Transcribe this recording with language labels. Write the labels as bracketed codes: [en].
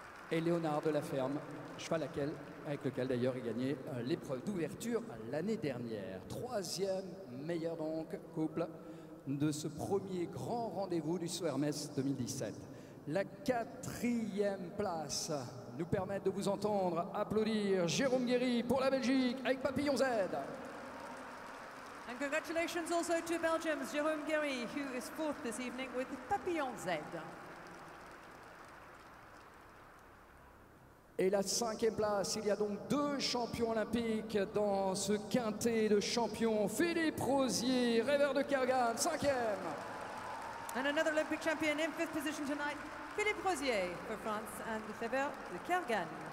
[fr] Et Léonard de la Ferme, cheval laquelle, avec lequel d'ailleurs il gagnait l'épreuve d'ouverture l'année dernière. Troisième meilleur donc couple de ce premier grand rendez-vous du Saut Hermès 2017. La quatrième place nous permet de vous entendre applaudir Jérôme Guéry pour la Belgique avec Papillon Z. [en] And congratulations also to Belgium's Jérôme Guéry, who is fourth this evening with Papillon Z. [fr] Et la cinquième place, il y a donc deux champions olympiques dans ce quintet de champions. Philippe Rosier, rêveur de Kerguelen, cinquième. [en] And another Olympic champion in fifth position tonight, Philippe Rosier for France and the rêveur de Kerguelen.